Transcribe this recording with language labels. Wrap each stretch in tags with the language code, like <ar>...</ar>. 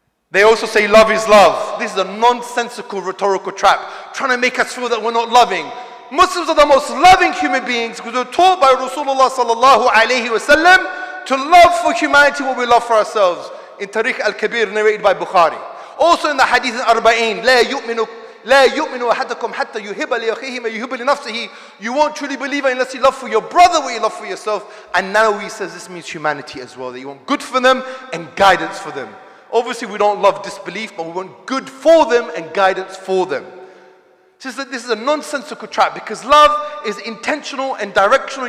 <en>They also say love is love. This is a nonsensical rhetorical trap, trying to make us feel that we're not loving. Muslims are the most loving human beings because we're taught by Rasulullah sallallahu alayhi wa sallam to love for humanity what we love for ourselves. In Tariq al-Kabir, narrated by Bukhari. Also in the hadith in Arba'een,</en> <ar>لا يؤمنوا أحدكم حتى يهب لأخيه ما يهب لنفسه.</ar> <en>You won't truly believe unless you love for your brother what you love for yourself. And now he says this means humanity as well, that you want good for them and guidance for them. Obviously, we don't love disbelief, but we want good for them and guidance for them. This is a nonsensical trap because love is intentional and directional.</en>